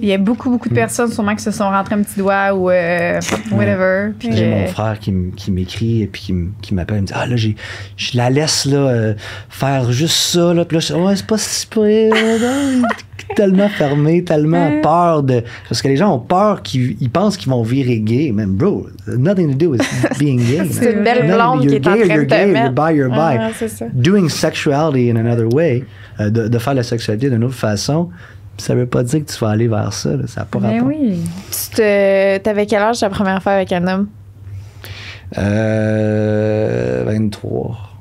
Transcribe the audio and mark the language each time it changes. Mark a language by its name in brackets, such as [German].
[French] Il y a beaucoup, beaucoup de personnes sûrement qui se sont rentrées un petit doigt ou whatever. Puis j'ai mon frère qui m'écrit et puis qui m'appelle et me dit « Ah là, je la laisse là, faire juste ça. » Là, puis là, je dis « Ouais, c'est pas si pire. » Tellement fermé, tellement peur de. Parce que les gens ont peur qu'ils pensent qu'ils vont virer gay. [English] Mais bro, nothing to do with being gay. [French] C'est une belle blonde qui est en train de te [English] you're gay, you're bi, you're bi. [French] Ah, c'est ça. [English] Doing sexuality in another way, [French] de faire la sexualité d'une autre façon, ça veut pas dire que tu vas aller vers ça. Là. Ça n'a pas rapport. Mais oui. T'avais quel âge la première fois avec un homme? 23.